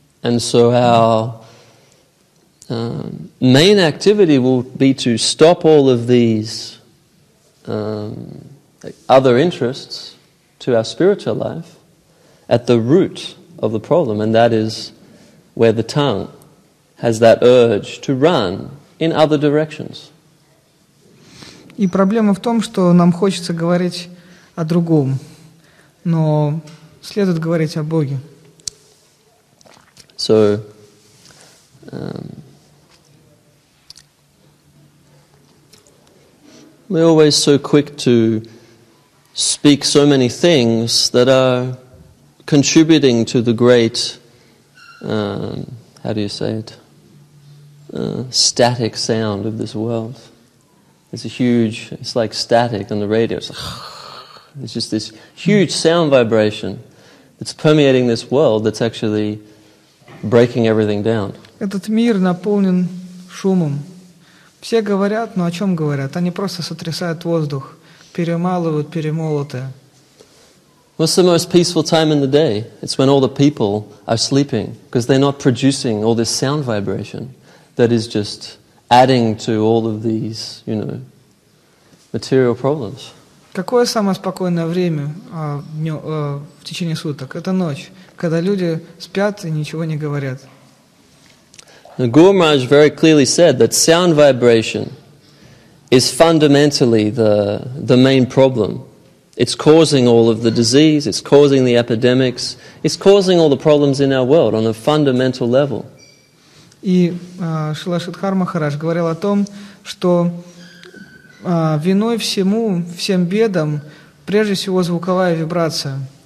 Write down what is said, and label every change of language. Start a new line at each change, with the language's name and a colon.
English: And so our main activity will be to stop all of these other interests to our spiritual life at the root of the problem, and that is where the tongue has that urge to run in other directions.
Russian: И проблема в том, что нам хочется говорить о другом, но следует говорить о Боге.
English: So, we're always so quick to speak so many things that are contributing to the great, how do you say it, static sound of this world. It's a huge, it's like static on the radio. It's just this huge sound vibration that's permeating this world that's actually breaking everything down.
Russian: Этот мир наполнен шумом. Все говорят, но о чем говорят? Они просто сотрясают воздух, перемалывают, перемолотые.
English: What's the most peaceful time in the day? It's when all the people are sleeping, because they're not producing all this sound vibration that is just adding to all of these, you know, material problems.
Russian: Какое самое спокойное время в течение суток? Это ночь, когда люди спят и ничего не говорят.
English: Now, Guru Maharaj very clearly said that sound vibration is fundamentally the main problem. It's causing all of the disease, it's causing the epidemics, it's causing all the problems in our world on a fundamental level.
Russian: И Шрила Шридхар Махарадж говорил о том, что виной всему, всем бедам, прежде всего звуковая вибрация.